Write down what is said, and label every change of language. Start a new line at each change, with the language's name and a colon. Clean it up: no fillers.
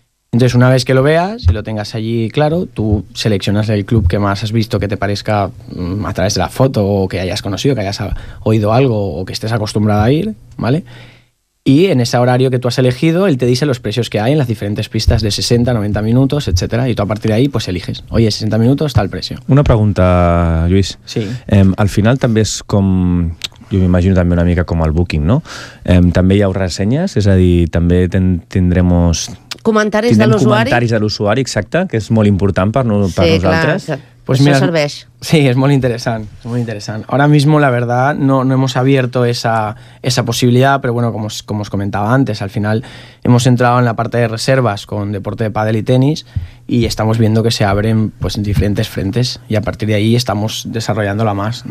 Spanish: Entonces una vez que lo veas y lo tengas allí claro, tú seleccionas el club que más has visto que te parezca a través de la foto o que hayas conocido, que hayas oído algo o que estés acostumbrado a ir, ¿vale? y en ese horario que tú has elegido, él te dice los precios que hay en las diferentes pistas de 60, 90 minutos, etcétera, y tú a partir de ahí pues eliges, oye, 60 minutos, tal precio. Una pregunta, Lluís. Sí.
Catalan: Al final també és com, jo m'imagino també una mica com el booking, no? També hi ha ressenyes, és a dir, també tindrem... Comentaris de l'usuari. Comentaris de l'usuari, exacte, que és molt important per, no, sí, per nosaltres. Sí, clar, pues això serveix.
Spanish: Sí, es muy interesante, es muy interesante. Ahora mismo, la verdad, no hemos abierto esa posibilidad, pero bueno, como os comentaba antes, al final hemos entrado en la parte de reservas con deporte de pádel y tenis y estamos viendo que se abren pues en diferentes frentes y a partir de ahí estamos desarrollándola más.